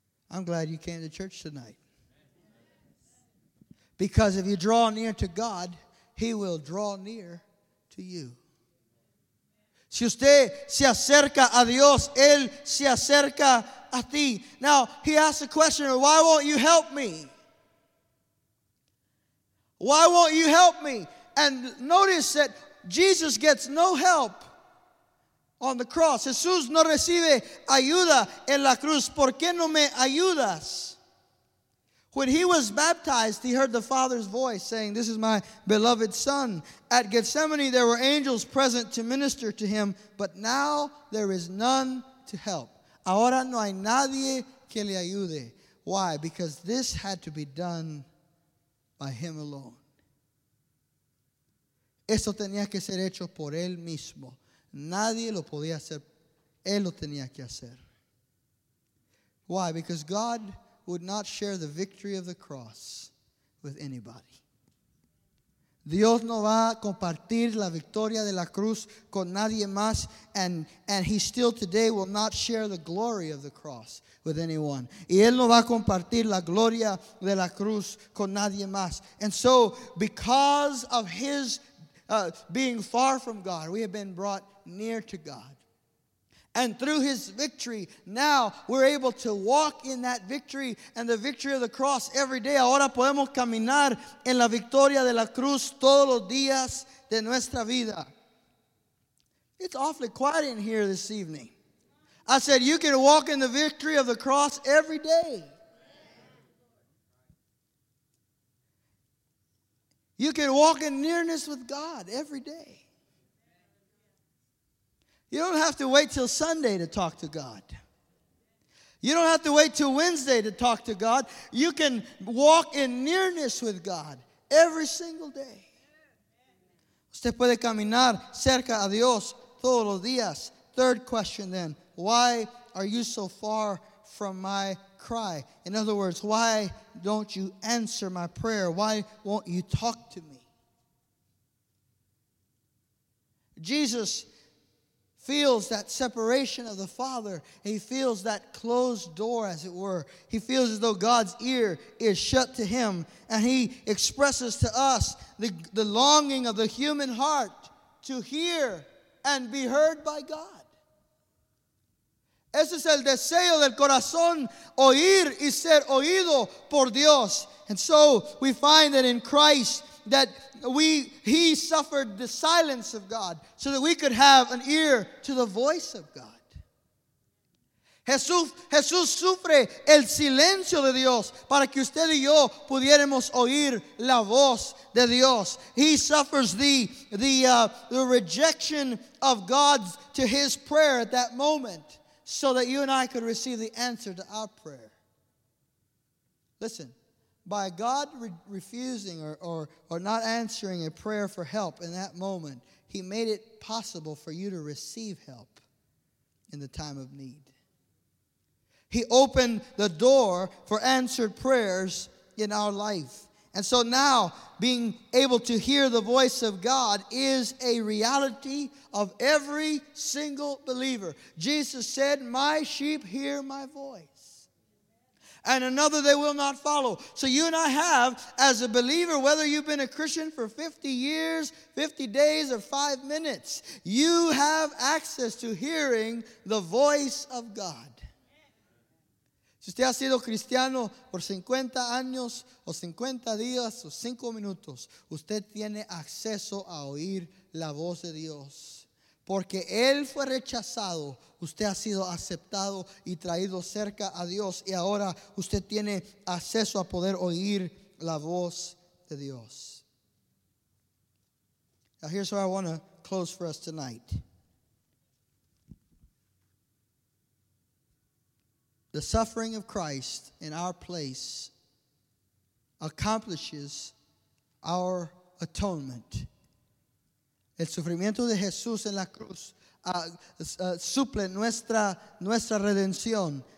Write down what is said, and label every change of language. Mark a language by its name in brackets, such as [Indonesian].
[English] I'm glad you came to church tonight. Because if you draw near to God, he will draw near to you. [Spanish] Si usted se acerca a Dios, él se acerca a ti. [English] Now, he asks the question, "Why won't you help me? Why won't you help me?" And notice that Jesus gets no help on the cross. [Spanish] Jesús no recibe ayuda en la cruz. ¿Por qué no me ayudas? [English] When he was baptized, he heard the Father's voice saying, "This is my beloved Son." At Gethsemane, there were angels present to minister to him, but now there is none to help. [Spanish] Ahora no hay nadie que le ayude. [English] Why? Because this had to be done by him alone. [Spanish] Esto tenía que ser hecho por él mismo. Nadie lo podía hacer. Él lo tenía que hacer. [English] Why? Because God would not share the victory of the cross with anybody. [Spanish] Dios no va a compartir la victoria de la cruz con nadie más, [English] and he still today will not share the glory of the cross with anyone. [Spanish] Y él no va a compartir la gloria de la cruz con nadie más. [English] And so, because of his being far from God, we have been brought near to God. And through his victory, now we're able to walk in that victory and the victory of the cross every day. [Spanish] Ahora podemos caminar en la victoria de la cruz todos los días de nuestra vida. [English] It's awfully quiet in here this evening. I said, you can walk in the victory of the cross every day. You can walk in nearness with God every day. You don't have to wait till Sunday to talk to God. You don't have to wait till Wednesday to talk to God. You can walk in nearness with God every single day. [Spanish] Usted puede caminar cerca a Dios todos los días. [English] Third question then, why are you so far from my cry? In other words, why don't you answer my prayer? Why won't you talk to me? Jesus feels that separation of the Father. He feels that closed door, as it were. He feels as though God's ear is shut to him. And he expresses to us the longing of the human heart to hear and be heard by God. [Spanish] Ese es el deseo del corazón, oír y ser oído por Dios. [English] And so we find that in Christ, that he suffered the silence of God so that we could have an ear to the voice of God. [Spanish] Jesús sufre el silencio de Dios para que usted y yo pudiéramos oír la voz de Dios. [English] He suffers the rejection of God to his prayer at that moment so that you and I could receive the answer to our prayer. Listen. By God refusing or not answering a prayer for help in that moment, he made it possible for you to receive help in the time of need. He opened the door for answered prayers in our life. And so now, being able to hear the voice of God is a reality of every single believer. Jesus said, "My sheep hear my voice. And another they will not follow." So you and I have, as a believer, whether you've been a Christian for 50 years, 50 days, or 5 minutes, you have access to hearing the voice of God. [Spanish] Si usted ha sido cristiano por 50 años, o 50 días, o 5 minutos, usted tiene acceso a oír la voz de Dios. Porque él fue rechazado, usted ha sido aceptado y traído cerca a Dios. Y ahora usted tiene acceso a poder oír la voz de Dios. [English] Now here's where I want to close for us tonight. The suffering of Christ in our place accomplishes our atonement. [Spanish] El sufrimiento de Jesús en la cruz suple nuestra redención.